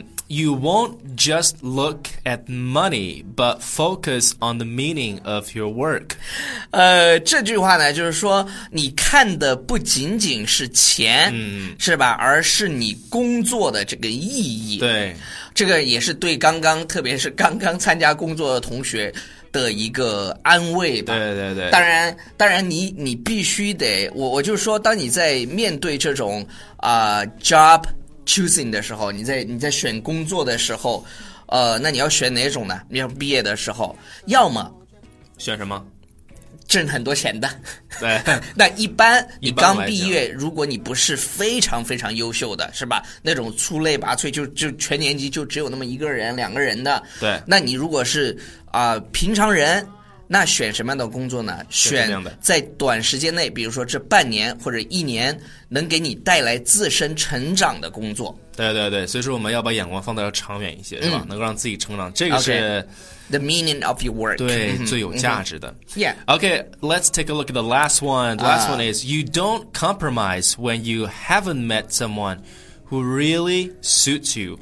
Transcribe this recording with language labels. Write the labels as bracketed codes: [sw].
[en] You won't just look at money, but focus on the meaning of your work. [zh] 这句话呢，就是说你看的不仅仅是钱，是吧？而是你工作的这个意义。对，这个也是对刚刚，特别是刚刚参加工作的同学的一个安慰吧。对对对，当然你必须得，我就是说，当你在面对这种 job choosing 的时候，你在选工作的时候，那你要选哪种呢？你要毕业的时候，要么选什么？挣很多钱的。对，那一般你刚毕业，如果你不是非常非常优秀的，是吧？那种出类拔萃，就全年级就只有那么一个人、两个人的。对，那你如果是平常人，那选什么样的工作呢？选在短时间内，比如说这半年或者一年，能给你带来自身成长的工作。对对对，所以说我们要把眼光放到长远一些，是吧？能够让自己成长，这个是 [en] the meaning of your work， [zh] 对，最有价值的。 [en] Yeah. Okay, let's take a look at the last one. The last one is you don't compromise when you haven't met someone who really suits you.